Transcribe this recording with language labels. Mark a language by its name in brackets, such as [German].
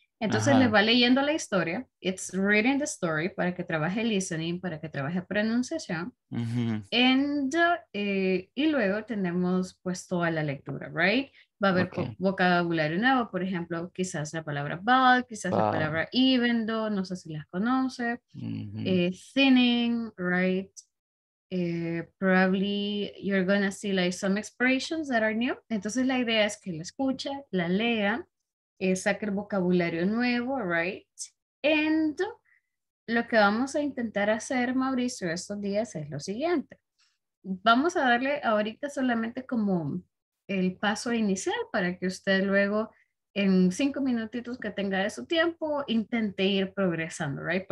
[Spanish] Entonces uh-huh. le va leyendo la historia. [English] It's reading the story [Spanish] para que trabaje listening, para que trabaje pronunciación. Uh-huh. And, y luego tenemos pues toda la lectura, right? Va a haber okay. vocabulario nuevo, por ejemplo, quizás la palabra bald, quizás la palabra even though, no sé si las conoce. Uh-huh. [English] Thinning, right? Probably you're gonna see like some expressions that are new. [Spanish] Entonces la idea es que la escuche, la lea, saca el vocabulario nuevo, right? And lo que vamos a intentar hacer, Mauricio, estos días es lo siguiente. Vamos a darle ahorita solamente como el paso inicial para que usted luego en 5 minutitos que tenga de su tiempo intente ir progresando, right?